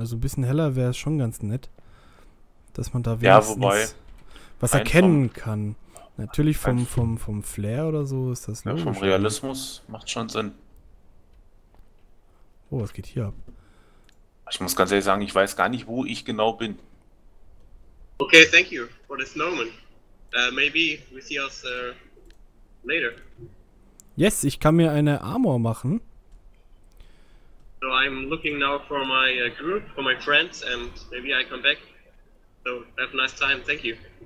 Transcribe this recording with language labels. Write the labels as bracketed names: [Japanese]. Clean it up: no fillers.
[German] Also ein bisschen heller wäre es schon ganz nett. Dass man da wenigstens was erkennen kann. Natürlich vom Flair oder so ist das logisch. Ja, vom Realismus macht schon Sinn. Oh, was geht hier ab? Ich muss ganz ehrlich sagen, ich weiß gar nicht, wo ich genau bin. [English] Okay, thank you for this moment. Maybe we see us later. [German] Yes, ich kann mir eine Armor machen. [English] So I'm looking now for my group, for my friends, and maybe I come back. So have a nice time, thank you.